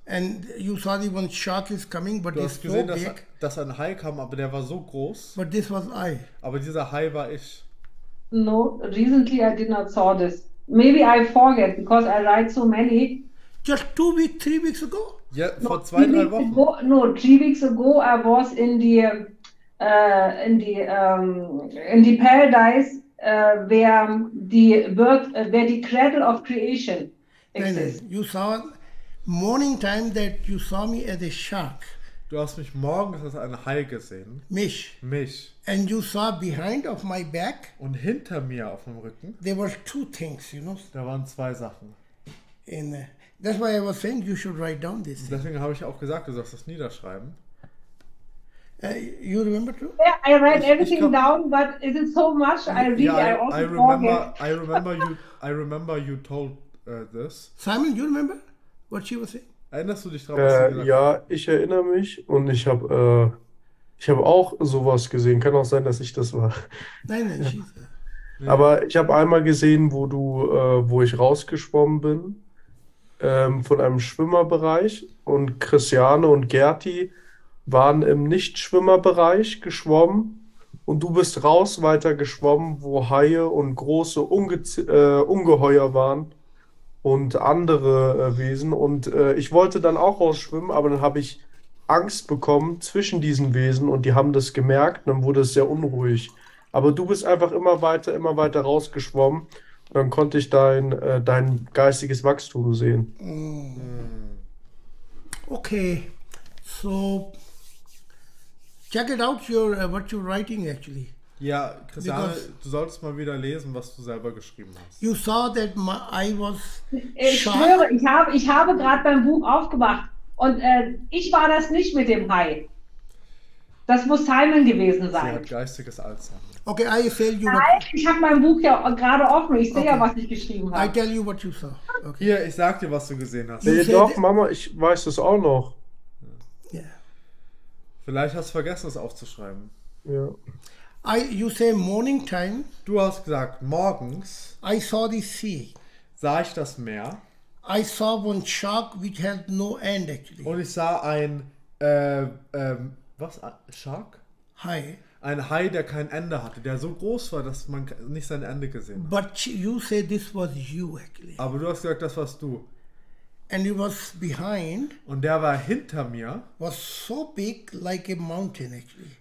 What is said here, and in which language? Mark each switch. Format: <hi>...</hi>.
<en>And you saw the one shark is coming, but it's so big.</en> <de>Dass ein Hai kam, aber der war so groß.</de> <en>But this was I.</en> <de>Aber dieser Hai war ich.</de> <en>No, recently I did not saw this. Maybe I forget because I write so many. Just 2 weeks, 3 weeks ago?</en> <de>Yeah, no, vor 2-3 Wochen.</de> <en>Ago, no, 3 weeks ago I was in the paradise where the cradle of creation exists. You saw morning time that you saw me as a shark.</en> <de>Du hast mich morgens als ein Hai gesehen. Mich. Mich.</de> <en>And you saw behind of my back.</en> <de>Und hinter mir auf dem Rücken.</de> <en>There were two things, you know.</en> <de>Da waren zwei Sachen.</de> <en>And that's why I was saying you should write down this.</en> <de>Deswegen habe ich auch gesagt, du sollst das niederschreiben.</de> <en>You remember too? Yeah, I write everything down, but is it so much? I remember you. I remember you told this. Simon, you remember? What she was saying?</en> <de>Erinnerst du dich daran? Ja, ich erinnere mich und ich habe auch sowas gesehen. Kann auch sein, dass ich das war. Nein, ja. Aber ich habe einmal gesehen, wo du, wo ich rausgeschwommen bin, von einem Schwimmerbereich, und Christiane und Gerti waren im Nichtschwimmerbereich geschwommen und du bist raus weiter geschwommen, wo Haie und große Ungeheuer waren. Und andere Wesen. Und ich wollte dann auch rausschwimmen, aber dann habe ich Angst bekommen zwischen diesen Wesen und die haben das gemerkt. Dann wurde es sehr unruhig. Aber du bist einfach immer weiter rausgeschwommen. Und dann konnte ich dein geistiges Wachstum sehen.</de> <en>Okay. So, check it out, what you're writing actually.</en> <de>Ja, Christiane, because du solltest mal wieder lesen, was du selber geschrieben hast.</de> <en>You saw that my, I was.</en> <de>Ich schwöre, ich habe gerade beim Buch aufgemacht und ich war das nicht mit dem Hai. Das muss Simon gewesen sein. Sie hat geistiges Alzheimer.</de> <en>Okay, I tell you</en> <de>Nein,</de> <en>what.</en> <de>ich habe mein Buch ja gerade offen. Ich sehe ja,</de> <en>Okay.</en> <de>was ich geschrieben</de> <en>I</en> <de>habe.</de> <en>tell you what you saw. Okay.</en> <de>Hier, ich sag dir, was du gesehen hast. Nee, doch, Mama, ich weiß das auch noch. Vielleicht hast du vergessen, es aufzuschreiben. Ja.</de> <en>You say morning time.</en> <de>Du hast gesagt, morgens</de> <en>I saw the sea.</en> <de>sah ich das Meer.</de> <en>I saw one shark which had no end actually.</en> <de>Und ich sah ein, was? Shark? Hi. Ein Hai, der kein Ende hatte, der so groß war, dass man nicht sein Ende gesehen hat.</de> <en>But you say this was you actually.</en> <de>Aber du hast gesagt, das warst du.</de> <en>And he was behind</en> <de>Und der war hinter mir.</de> <en>was so big like a mountain actually.</en>